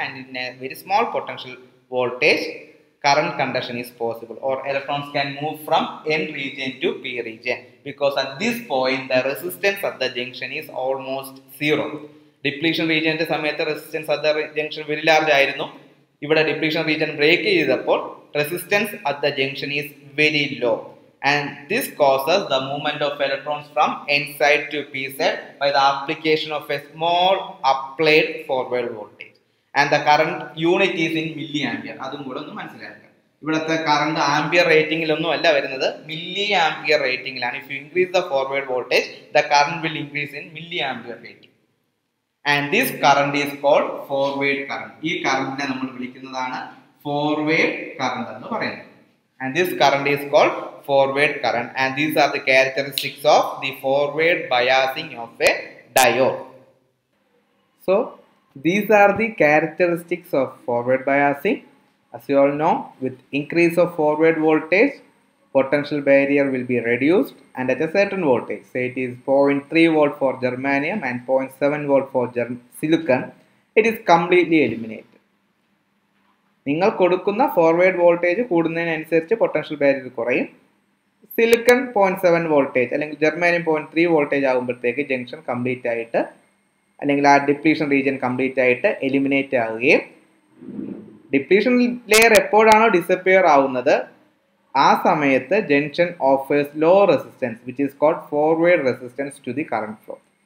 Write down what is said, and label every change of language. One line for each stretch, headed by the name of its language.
English: And in a very small potential voltage current conduction is possible, or electrons can move from N region to P region because at this point the resistance of the junction is almost zero. Depletion റീജിയൻ്റെ സമയത്ത് resistance of the junction very large
Malayalam: ആയിരുന്നു, ഇവിടെ
English: Depletion region break ചെയ്തപ്പോൾ resistance of the junction is very low. And this causes the movement of electrons from N side to P side by the application of a small applied forward voltage. And the current unit is in milliampere.
Malayalam: അതും കൂടെ ഒന്ന് മനസ്സിലാക്കാം. ഇവിടുത്തെ current ampere റേറ്റിംഗിലൊന്നും അല്ല വരുന്നത്, milli ampere റേറ്റിംഗിലാണ്.
English: If you increase the forward voltage the current will increase in milliampere rating. And this current is called forward current.
Malayalam: ഈ കറണ്ടിനെ നമ്മൾ വിളിക്കുന്നതാണ് ഫോർവേഡ് കറണ്ട് എന്ന് പറയുന്നത്.
English: And this current is called forward current. And these are the characteristics of the forward biasing of a diode. So, these are the characteristics of forward biasing. As you all know, with increase of forward voltage, potential barrier will be reduced. And at a certain voltage, say it is 0.3 volt for germanium and 0.7 volt for silicon, it is completely eliminated.
Malayalam: നിങ്ങൾ കൊടുക്കുന്ന forward voltage കൂടുന്നതിനനുസരിച്ച് potential barrier കുറയും. Silicon 0.7 voltage അല്ലെങ്കിൽ ജർമാനിയം 0.3 voltage ആകുമ്പോഴത്തേക്ക് junction complete ആയിട്ട് അല്ലെങ്കിൽ ആ depletion region complete ആയിട്ട് എലിമിനേറ്റ് ആവുകയും ഡിപ്ലീഷൻ ലെയർ എപ്പോഴാണോ ഡിസപ്പിയർ ആവുന്നത് ആ സമയത്ത്
English: Junction offers low resistance which is called forward resistance to the current flow.